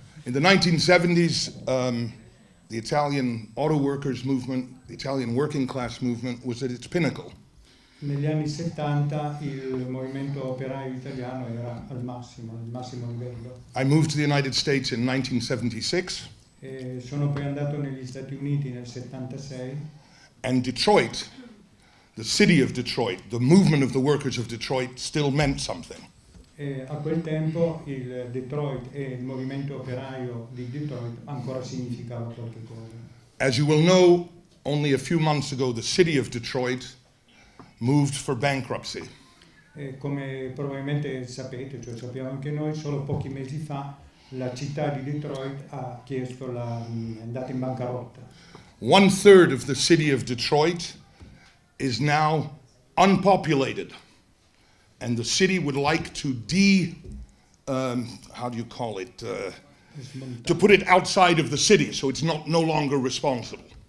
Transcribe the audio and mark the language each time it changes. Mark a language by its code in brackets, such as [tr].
[en] In the 1970s, the Italian auto workers movement, the Italian working class movement, was at its pinnacle. [it] Negli anni 70 il movimento operaio italiano era al massimo livello. [en] I moved to the United States in 1976. [it] E sono poi andato negli Stati Uniti nel 76. [en] And Detroit, the city of Detroit, the movement of the workers of Detroit still meant something. [it] E a quel tempo il Detroit e il movimento operaio di Detroit ancora significava qualche cosa. [en] As you will know, only a few months ago the city of Detroit moved for bankruptcy. [it] Come probabilmente sapete, cioè sappiamo anche noi, solo pochi mesi fa la città di Detroit ha chiesto è andata in bancarotta. [en] One third of the city of Detroit is now unpopulated, and the city would like to to put it outside of the city, so it's not no longer responsible.